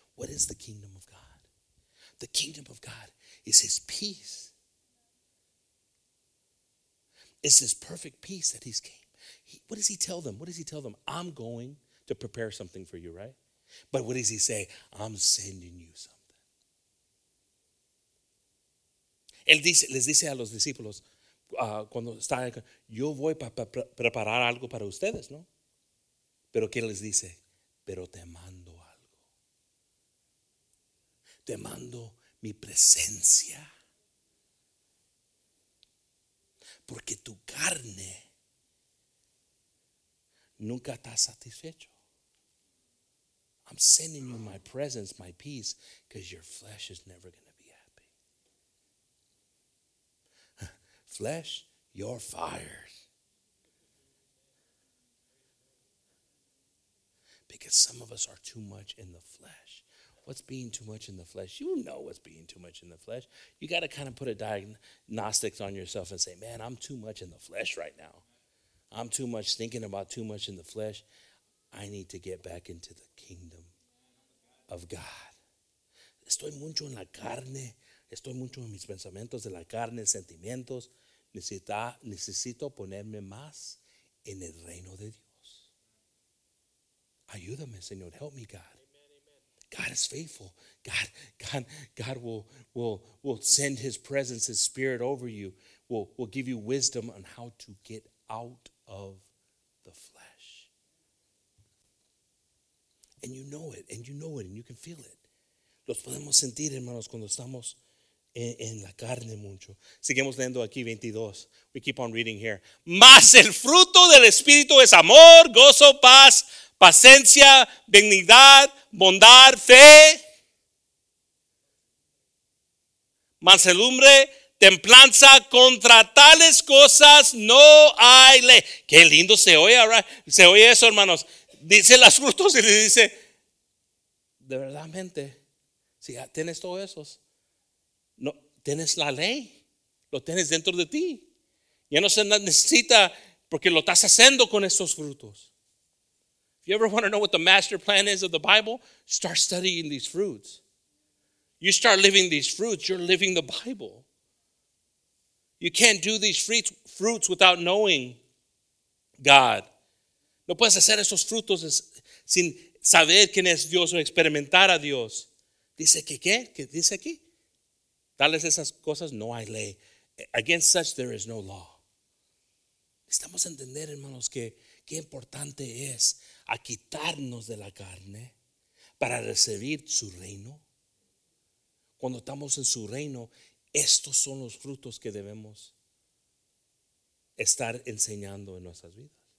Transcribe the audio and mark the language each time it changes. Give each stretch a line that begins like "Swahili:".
English: What is the kingdom of God? The kingdom of God is his peace. It's this perfect peace that he's came. What does he tell them? What does he tell them? I'm going to prepare something for you, right? But what does he say? I'm sending you something.
Spanish: Él dice, les dice a los discípulos, cuando está, yo voy para preparar algo para ustedes, ¿no? Pero ¿qué les dice? Pero te mando algo. Te mando mi presencia. Porque tu carne nunca está satisfecho.
English: I'm sending you my presence, my peace, because your flesh is never going to. Flesh, you're fired. Because some of us are too much in the flesh. What's being too much in the flesh? You know what's being too much in the flesh. You got to kind of put a diagnostics on yourself and say, man, I'm too much in the flesh right now. I'm too much thinking about too much in the flesh. I need to get back into the kingdom of God.
Spanish: Estoy mucho en la carne. Estoy mucho en mis pensamientos de la carne, sentimientos. Necesito ponerme más en el reino de Dios. Ayúdame, Señor.
English: Help me, God. Amen. God is faithful. God will send his presence, his spirit over you. Will give you wisdom on how to get out of the flesh. And you know it. And you know it. And you can feel it.
Spanish: Los podemos sentir, hermanos, cuando estamos en la carne mucho. Seguimos leyendo aquí 22.
English: We keep on reading here.
Spanish: Mas el fruto del Espíritu es amor, gozo, paz, paciencia, benignidad, bondad, fe, mansedumbre, templanza. Contra tales cosas no hay ley. Qué lindo se oye, right? Se oye eso, hermanos. Dice los frutos y le dice, de verdad, mente, si ya tienes todos esos, no, tienes la ley, lo tienes dentro de ti. Ya no se necesita porque lo estás haciendo con estos frutos.
English: If you ever want to know what the master plan is of the Bible, start studying these fruits. You start living these fruits, you're living the Bible. You can't do these fruits without knowing God.
Spanish: No puedes hacer esos frutos sin saber quién es Dios o experimentar a Dios. Dice que qué, que dice aquí. Tales esas cosas no hay ley.
English: Against such there is no law.
Spanish: Estamos a entender, hermanos, que qué importante es a quitarnos de la carne para recibir su reino. Cuando estamos en su reino, estos son los frutos que debemos estar enseñando en nuestras vidas.